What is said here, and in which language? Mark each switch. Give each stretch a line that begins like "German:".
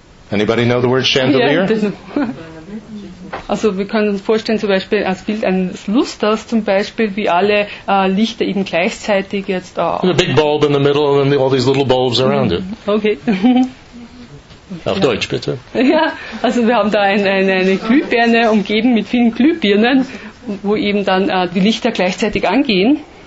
English: Anybody know the word chandelier?
German: Also wir können uns vorstellen, zum Beispiel als Bild eines Lusters zum Beispiel, wie alle Lichter eben gleichzeitig jetzt auch.
English: A big bulb in the middle and then all these little bulbs around it. Okay.
German: Auf Deutsch bitte. Ja, also wir haben da eine Glühbirne umgeben mit vielen Glühbirnen, wo eben dann die Lichter gleichzeitig angehen.